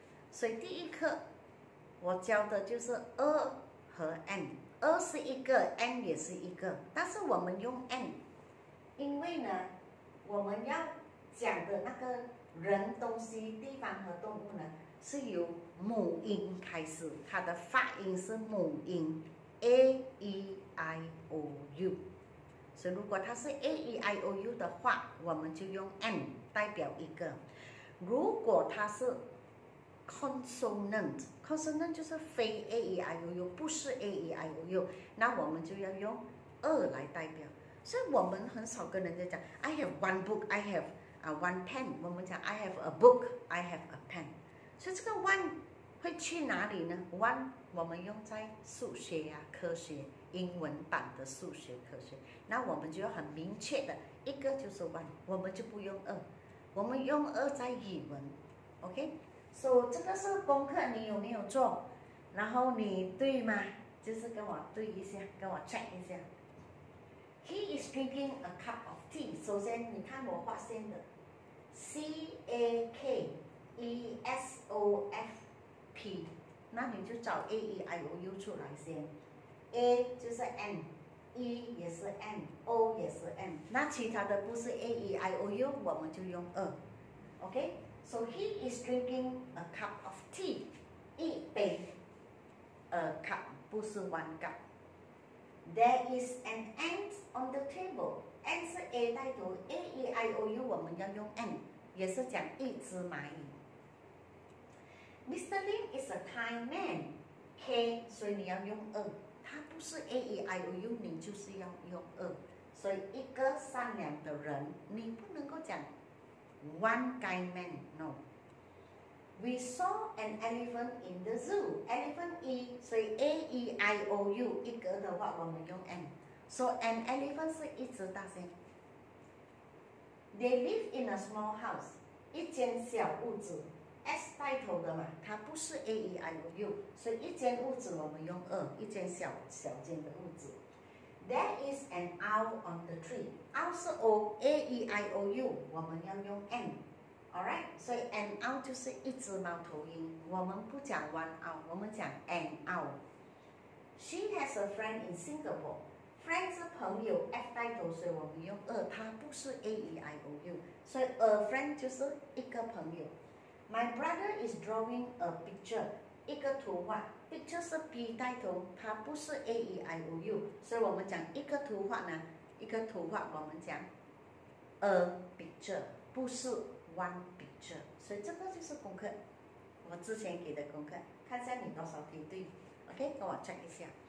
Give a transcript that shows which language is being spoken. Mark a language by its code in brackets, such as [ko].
[zh] 所以第一课我教的就是 a 和 n, a 是一个， n 也是一个，但是我们用 n, 因为呢我们要讲的那个人、东西、地方和动物呢是由母音开始，它的发音是母音 a e i o u, 所以如果它是 a e i o u 的话，我们就用 n 代表一个。如果它是consonant, consonant 就是非 A-E-I-O-U, 不是 A-E-I-O-U, 那我们就要用 a 来代表。所以我们很少跟人家讲 [en] I have one book, I have one pen, [zh] 我们讲 [en] I have a book, I have a pen。 [zh] 所以这个 one 会去哪里呢？one 我们用在数学啊，科学，英文版的数学科学，那我们就要很明确的一个就是 one, 我们就不用 a, 我们用 a 在语文。 OK,So, 这个是功课，你有没有做？然后你对吗？就是跟我对一下，跟我 check 一下。 [en] He is drinking a cup of tea. [zh] 首先，你看我画线的 C A K E S O F P, 那你就找 A E I O U 出来先。 A 就是 N, E 也是 N, O 也是 N, 那其他的不是 A E I O U, 我们就用 a, OK? [en] So he is drinking a cup of tea. 一杯 a cup, [zh] 不是 [en] one cup. There is an ant on the table. [zh] Ant 是 A 带头， A E I O U 我们要用 ant, 也是讲一只蚂蚁。 [en] Mr. Lin is a Thai man. [zh] K, 所以你要用 a, 它不是 A E I O U, 你就是要用 a. 所以一个善良的人，你不能够讲 [en] One kind man, [zh] no. [en] We saw an elephant in the zoo. [zh] Elephant E, 所以 A-E-I-O-U, 一个的话我们用 N. [en] So an elephant [zh] 是一只大象。 [en] They live in a small house, [zh] 一间小屋子。 S 带头的嘛，它不是 A-E-I-O-U, 所以一间屋子我们用 N, 一间小小间的屋子。 [en] There is an owl on the tree. [zh] Owl 是 O, A E I O U, 我们要用 N. [en] Alright, so an owl [zh] 就是一只猫头鹰，我们不讲 [en] one owl, [zh] 我们讲 [en] an owl. She has a friend in Singapore. [zh] Friend 是朋友， F 带头，所以我们用 a, 它不是 A E I O U. [en] So a friend [zh] 就是一个朋友。 [en] My brother is drawing a picture. [zh] 一个图画 ，picture 是 B 带头，它不是 A E I O U, 所以我们讲一个图画呢，一个图画我们讲 a picture, 不是 one picture, 所以这个就是功课，我之前给的功课，看一下你多少题对 ，OK, 跟我 check 一下。